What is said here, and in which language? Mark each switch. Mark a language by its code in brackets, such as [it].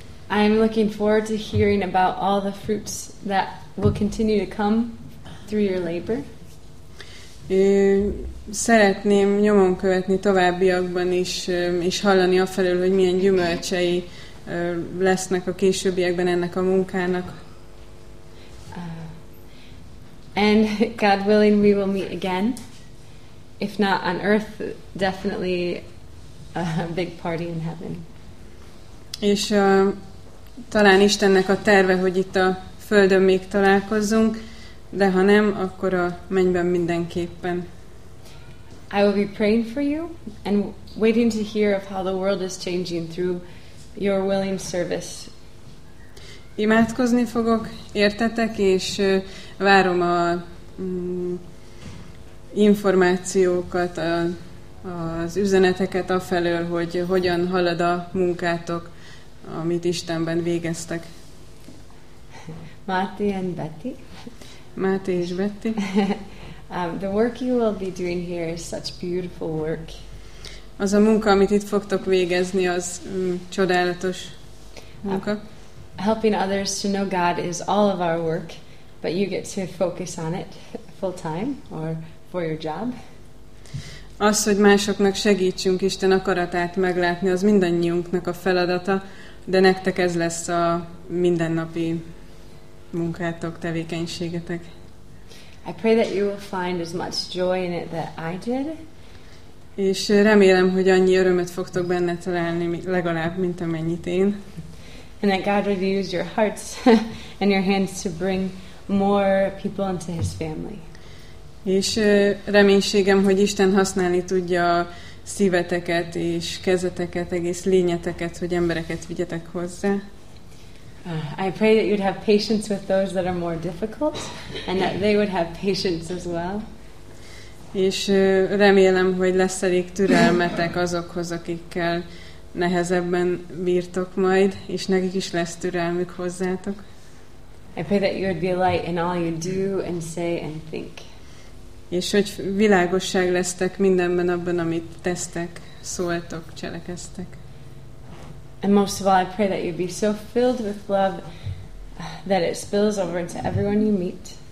[en] I'm looking forward to hearing about all the fruits that will continue to come through your labor. [hu] Szeretném nyomon követni továbbiakban is, és hallani afelől, hogy milyen gyümölcsei lesznek a későbbiekben ennek a munkának. [en] And God willing, we will meet again. If not on earth, definitely a big party in heaven. [hu] És talán Istennek a terve, hogy itt a Földön még találkozzunk, de ha nem, akkor a mennyben mindenképpen. [en] I will be praying for you and waiting to hear of how the world is changing through your willing service. [hu] Imádkozni fogok, értetek, és várom a információkat, az üzeneteket afelől, hogy hogyan halad a munkátok, amit Istenben végeztek. [en] Máté and Betty. [hu] Máté és Betty. [en] The work you will be doing here is such beautiful work. [hu] Az a munka, amit itt fogtok végezni, az csodálatos munka. [en] Helping others to know God is all of our work, but you get to focus on it full time or for your job. [hu] Az, hogy másoknak segítsünk Isten akaratát meglátni, az mindannyiunknak a feladata, de nektek ez lesz a mindennapi munkátok, tevékenységetek. [en] I pray that you will find as much joy in it that I did. [hu] És remélem, hogy annyi örömet fogtok benne találni, legalább, mint amennyit én. [en] And that God would use your hearts and your hands to bring more people into his family. [hu] És reménységem, hogy Isten használni tudja a szíveteket és kezeteket, egész lényeteket, hogy embereket vigyetek hozzá. [en] I pray that you'd have patience with those that are more difficult and that they would have patience as well. [hu] És remélem, hogy lesz elég türelmetek azokhoz, akikkel nehezebben bírtok majd, és nekik is lesz türelmük hozzátok. [en] I pray that you would be a light in all you do and say and think. [hu] És hogy világosság lesztek mindenben abban, amit tesztek, szóltok, cselekeztek. [en] And most of all, I pray that you'd be so filled with love that it spills over into everyone you meet.